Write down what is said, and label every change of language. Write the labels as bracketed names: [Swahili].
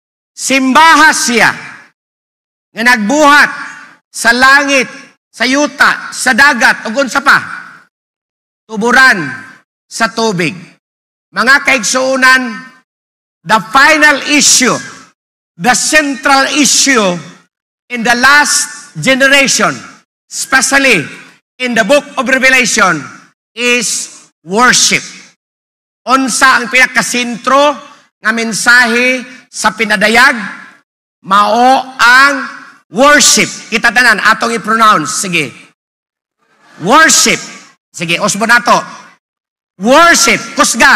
[Cebuano] Simbaha siya nga nagbuhat sa langit, sa yuta, sa dagat, o unsa pa, tuburan sa tubig. Mga kaigsuunan, [English] the final issue, the central issue in the last generation, especially in the book of Revelation, is worship. [Cebuano] Unsa ang pinakasintro nga mensahe sa pinadayag? Mao ang worship. Kita tanan, atong i-pronounce. Sige. Worship. Sige, usbo na to. Worship. Kusga.